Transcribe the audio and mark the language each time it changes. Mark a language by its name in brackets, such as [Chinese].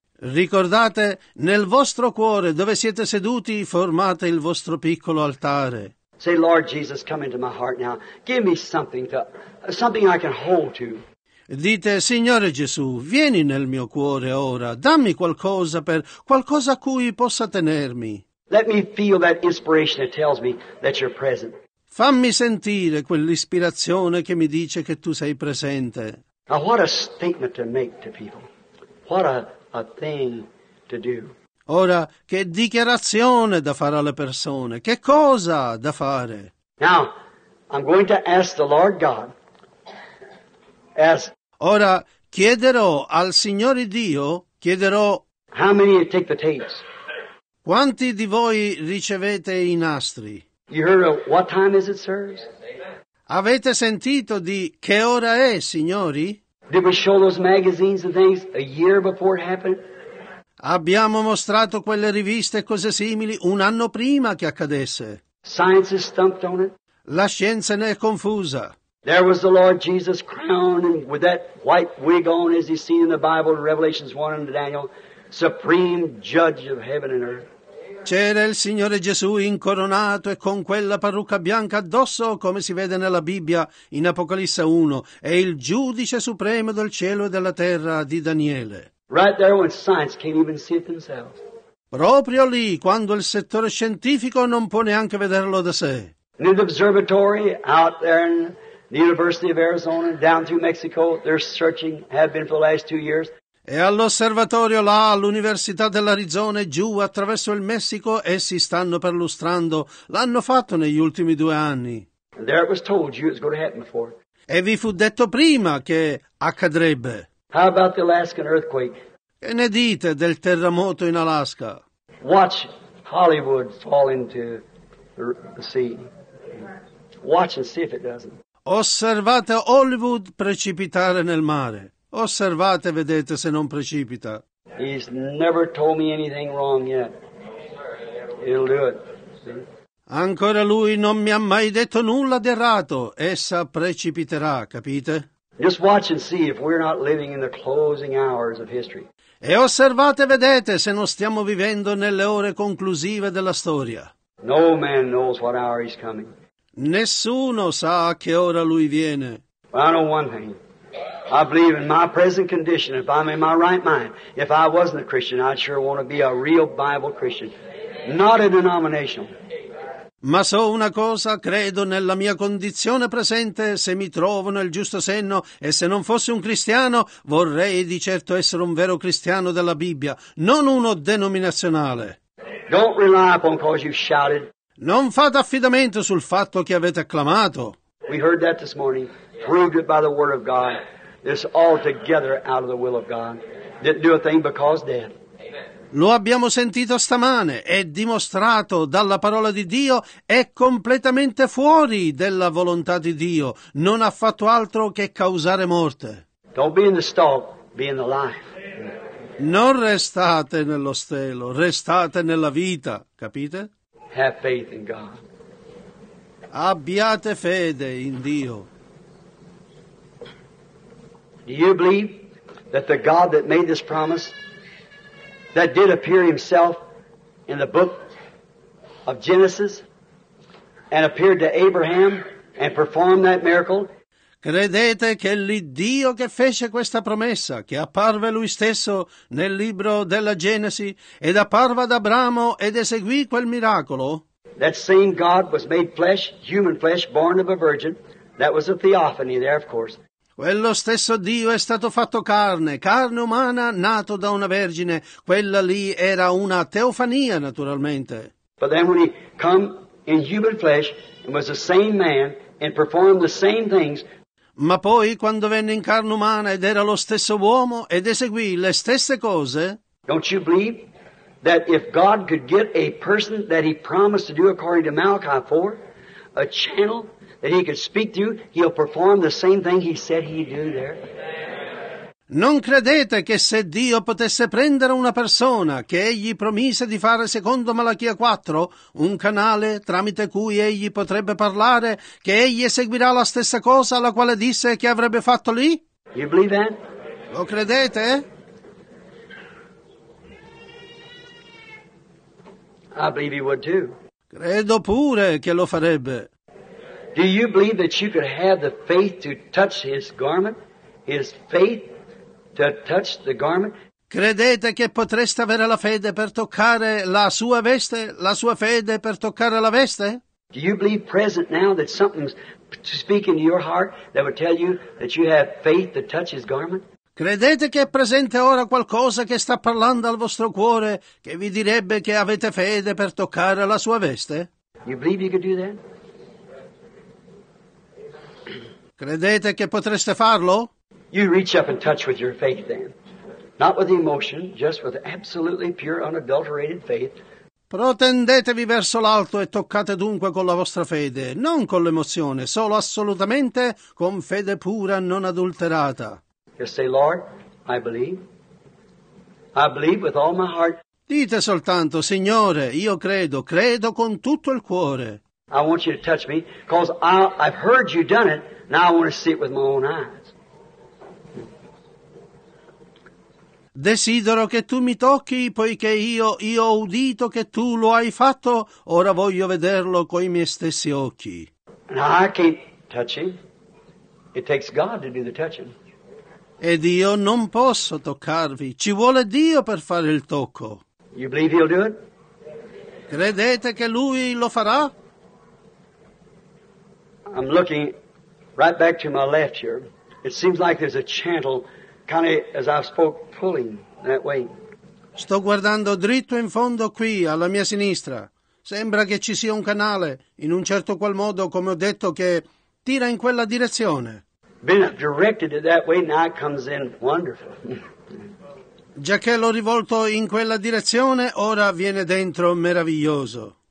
[Italian] Ricordate, nel vostro cuore, dove siete seduti, formate il vostro piccolo altare. [English] Say, Lord Jesus, come into my heart now. Give me something I can hold to. [Italian] Dite, Signore Gesù, vieni nel mio cuore ora. Dammi qualcosa a cui possa tenermi. [English] Let me feel that inspiration that tells me that you're present. [Italian] Fammi sentire quell'ispirazione che mi dice che tu sei presente. [English] Now, what a statement to make to people. What a thing to do. [Italian] Ora, che dichiarazione da fare alle persone? Che cosa da fare? [English] Now, I'm going to ask the Lord God. [Italian] Ora, chiederò al Signore Dio, chiederò... [English] How many of you take the tapes? [Italian] Quanti di voi ricevete i nastri? [English] You heard of what time is it, sir? [Italian] Avete sentito di che ora è, signori? [English] Did we show those magazines and things a year before it happened? [Italian] Abbiamo mostrato quelle riviste e cose simili un anno prima che accadesse. [English] Science is stumped on it. [Italian] La scienza ne è confusa. [English] There was the Lord Jesus crowned with that white wig on, as you see in the Bible, Revelations 1 and Daniel. supreme judge of heaven and earth. [Italian] C'era il Signore Gesù incoronato e con quella parrucca bianca addosso, come si vede nella Bibbia in Apocalisse 1, è il giudice supremo del cielo e della terra di Daniele. [English] Right there when science can't even see it themselves. [Italian] Proprio lì, quando il settore scientifico non può neanche vederlo da sé. [English] In the observatory out there in the University of Arizona, down through Mexico, they're searching, have been for the last 2 years. [Italian] E all'osservatorio là, all'Università dell'Arizona, giù attraverso il Messico, essi stanno perlustrando. L'hanno fatto negli ultimi 2 anni. [English] There it was told you it was going to happen before. [Italian] E vi fu detto prima che accadrebbe. [English] How about the Alaskan earthquake? [Italian] Che ne dite del terremoto in Alaska? [English] Watch Hollywood fall into the sea. Watch and see if it doesn't. [Italian] Osservate Hollywood precipitare nel mare. Osservate, vedete se non precipita. [English] He's never told me anything wrong yet. He'll do it. See? [Italian] Ancora lui non mi ha mai detto nulla di errato. Essa precipiterà, capite? [English] Just watch and see if we're not living in the closing hours of history. [Italian] E osservate, vedete se non stiamo vivendo nelle ore conclusive della storia. [English] No man knows what hour he's coming. [Italian] Nessuno sa a che ora lui viene. [English] But I know one thing. I believe in my present condition, if I'm in my right mind, if I wasn't a Christian, I'd sure want to be a real Bible Christian, not a denominational. [Italian] Ma so una cosa, credo nella mia condizione presente, se mi trovo nel giusto senno, e se non fossi un cristiano, vorrei di certo essere un vero cristiano della Bibbia, non uno denominazionale. [English] Don't rely upon cause you've shouted. [Italian] Non fate affidamento sul fatto che avete acclamato. [English] We heard that this morning, proved it by the Word of God. It's altogether out of the will of God. Didn't do a thing because dead. Amen. [Italian] Lo abbiamo sentito stamane. È dimostrato dalla parola di Dio. È completamente fuori della volontà di Dio. Non ha fatto altro che causare morte. [English] Don't be in the stalk, be in the life. Amen. [Italian] Non restate nello stelo, restate nella vita. Capite? [English] Have faith in God. [Italian] Abbiate fede in Dio. [English] Do you believe that the God that made this promise, that did appear himself in the book of Genesis, and appeared to Abraham and performed that miracle? [Italian] Credete che l'Iddio che fece questa promessa, che apparve lui stesso nel libro della Genesi ed apparve ad Abramo ed eseguì quel miracolo? [English] That same God was made flesh, human flesh, born of a virgin. That was a theophany there, of course. [Italian] Quello stesso Dio è stato fatto carne, carne umana, nato da una vergine. Quella lì era una teofania, naturalmente. [English] But then when he come in human flesh and was the same man and performed the same things. [Italian] Ma poi quando venne in carne umana ed era lo stesso uomo ed eseguì le stesse cose. [English] Don't you believe that if God could get a person that he promised to do according to Malachi 4, a channel that he could speak through, he'll perform the same thing he said he'd do there. [Italian] Non credete che se Dio potesse prendere una persona che egli promise di fare secondo Malachia 4, un canale tramite cui egli potrebbe parlare, che egli eseguirà la stessa cosa alla quale disse che avrebbe fatto lì? [English] You believe that? [Italian] Lo credete? [English] I believe he would too. [Italian] Credo pure che lo farebbe. [English] Do you believe that you could have the faith to touch his garment? His faith to touch the garment? [Italian] Credete che potreste avere la fede per toccare la sua veste? La sua fede per toccare la veste? [English] Do you believe present now that something's speaking to your heart that would tell you that you have faith to touch his garment? [Italian] Credete che è presente ora qualcosa che sta parlando al vostro cuore che vi direbbe che avete fede per toccare la sua veste? [English] You believe you could do that? [Italian] Credete che potreste farlo? [English] You reach up and touch with your faith then. Not with emotion, just with absolutely pure, unadulterated faith. [Italian] Protendetevi verso l'alto e toccate dunque con la vostra fede, non con l'emozione, solo assolutamente con fede pura, non adulterata. [English] Just say, Lord, I believe. I believe with all my heart. [Italian] Dite soltanto, Signore, io credo, credo con tutto il cuore. [English] I want you to touch me, because I've heard you done it. Now I want to see it with my own eyes. [Italian] Desidero che tu mi tocchi, poiché io ho udito che tu lo hai fatto, ora voglio vederlo coi miei stessi occhi. [English] Now I can't touch him. It takes God to do the touching. [Italian] Ed io non posso toccarvi, ci vuole Dio per fare il tocco. [English] You believe he'll do it? [Italian] Credete che lui lo farà? [English] I'm looking right back to my left here. It seems like there's a channel, kind of as I spoke, pulling that way. [Italian] Sto guardando dritto in fondo qui, alla mia sinistra. Sembra che ci sia un canale, in un certo qual modo, come ho detto, che tira in quella direzione. Been directed it that way, now it comes in wonderful. Già che l'ho rivolto in quella direzione, ora viene dentro meraviglioso.